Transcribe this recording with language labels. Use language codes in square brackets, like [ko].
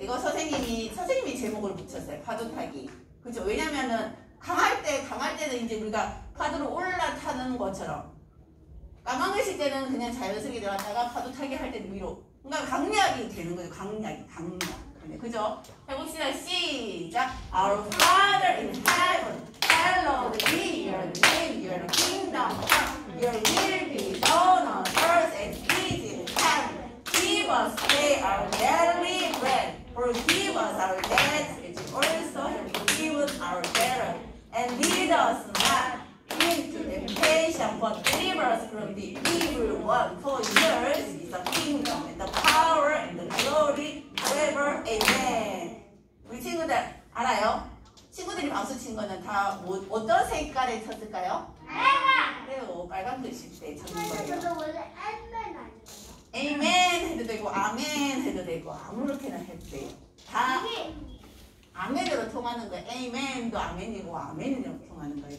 [ko] 이거 선생님이 제목을 붙였어요. 파도타기. 그죠? 왜냐면은, 강할 때는 이제 우리가 파도를 올라타는 것처럼. 까만 글씨일 때는 그냥 자연스럽게 들어왔다가 파도타기 할 때는 위로. 뭔가 강약이 되는 거예요. 강약. 그죠? 해봅시다. 시작. [en] Our Father in heaven, hallowed be your name, your kingdom come, your will be done on earth as it is in heaven. Give us today our daily bread, forgive us our debts, as we also forgive our debtors. And lead us not into temptation, but deliver us from the evil one. For yours is the kingdom, and the power, and the glory. Forever, amen. [ko] 우리 친구들 알아요? 친구들이 박수 친 거는 다 어떤 색깔에 쳤을까요? 빨간 글씨 때 쳤는 거예요. 원래 amen 해도 되고 amen 해도 되고 아무렇게나 해도 돼요. 다 amen으로 통하는 거예요. amen도 amen이고 amen으로 통하는 거예요.